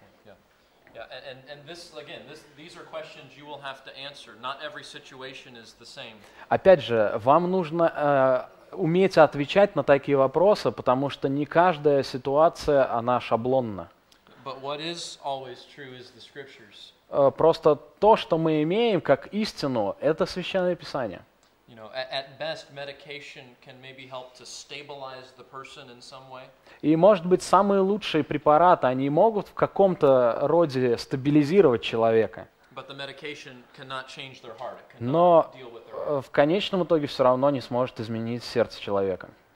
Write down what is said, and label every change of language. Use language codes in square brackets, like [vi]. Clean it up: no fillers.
[en] Yeah, and this again, these are questions you will have to answer. Not every situation is the same. [ru] Опять же, вам нужно уметь отвечать на такие вопросы, потому что не каждая ситуация она шаблонна. [en] But what is always true is the scriptures. [ru] Просто то, что мы имеем как истину, это Священное Писание. [en] You know, at best, medication can maybe help to stabilize the person in some way. [ru] И может быть самые лучшие препараты они могут в каком-то роде стабилизировать человека. [en] But the medication cannot change their heart. It cannot deal with their heart. [ru] Но в конечном итоге все равно не сможет изменить сердце человека.